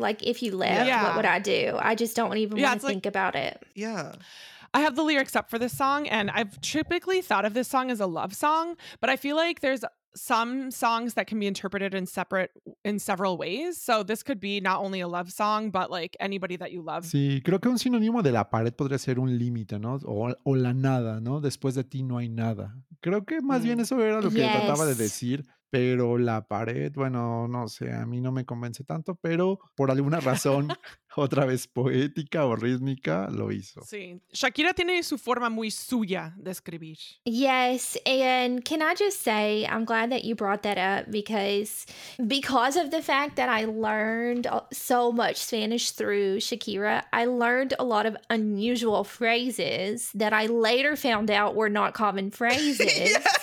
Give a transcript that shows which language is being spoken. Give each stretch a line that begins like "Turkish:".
English: Like if you left, what would I do? I just don't even want to think about it. Yeah. I have the lyrics up for this song and I've typically thought of this song as a love song, but I feel like there's some songs that can be interpreted in several ways. So this could be not only a love song, but like anybody that you love.
Spanish: Sí, creo que un sinónimo de la pared podría ser un límite, ¿no? O la nada, ¿no? Después de ti no hay nada. Creo que más bien eso era lo que trataba de decir. Pero la pared, bueno, no sé, a mí no me convence tanto, pero por alguna razón, otra vez poética o rítmica, lo hizo. Sí, Shakira tiene su forma muy suya de escribir.
English: Yes, and can I just say, I'm glad that you brought that up because of the fact that I learned so much Spanish through Shakira, I learned a lot of unusual phrases that I later found out were not common phrases. Yes.